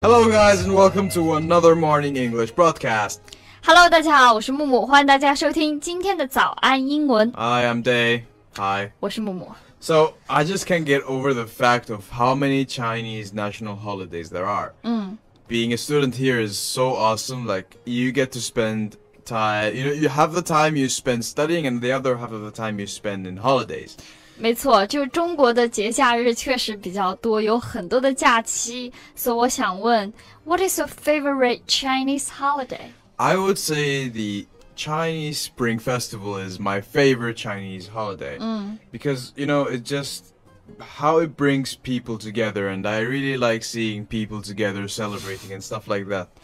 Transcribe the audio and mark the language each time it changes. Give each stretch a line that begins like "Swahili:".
English: Hello, guys, and welcome to another morning English broadcast.
Chinese: Hello, 大家好，我是木木，欢迎大家收听今天的早安英文。
English: Hi, I'm Day. Hi.
Chinese: 我是木木。
English: So, I just can't get over the fact of how many Chinese national holidays there are. Being a student here is so awesome. Like, you get to spend time, you know, you have the time you spend studying and the other half of the time you spend in holidays.
Chinese: 没错，就中国的节假日确实比较多，有很多的假期。所以我想问
English: ，What is your favorite Chinese holiday? I would say the Chinese Spring Festival is my favorite Chinese holiday. Because you know, it just how it brings people together, and I really like seeing people together celebrating and stuff like that.